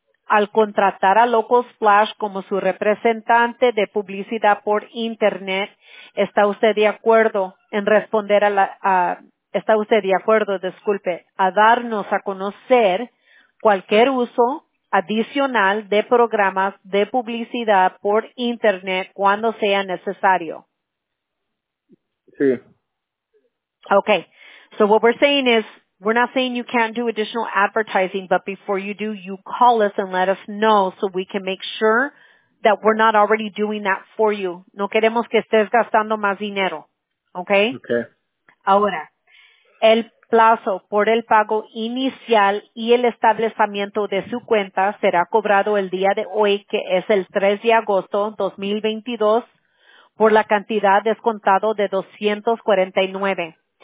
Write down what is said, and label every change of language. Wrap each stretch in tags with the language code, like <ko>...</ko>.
<es>al contratar a Local Splash como su representante de publicidad por internet, ¿está usted de acuerdo en responder a la, está usted de acuerdo, disculpe, a darnos a conocer cualquier uso adicional de programas de publicidad por internet cuando sea necesario? Sí.</es> <en>Okay. So what we're saying is, we're not saying you can't do additional advertising, but before you do, you call us and let us know so we can make sure that we're not already doing that for you.</en> <es>No queremos que estés gastando más dinero. Okay?</es> <en>Okay.</en> <es>Ahora, el plazo por el pago inicial y el establecimiento de su cuenta será cobrado el día de hoy, que es el 3 de agosto 2022, por la cantidad descontado de $249.</es>